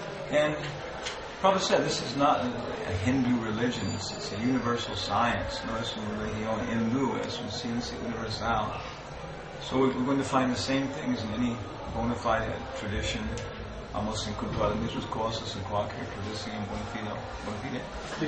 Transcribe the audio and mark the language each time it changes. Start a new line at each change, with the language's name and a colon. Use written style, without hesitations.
English: And Prabhupada said this is not a Hindu religion, it's a universal science.
Spanish: No es una religión hindú, es una ciencia universal.
English: So we're going to find the same things in any bona fide tradition.
Spanish: Vamos a encontrar las mismas cosas en cualquier tradición bona fide.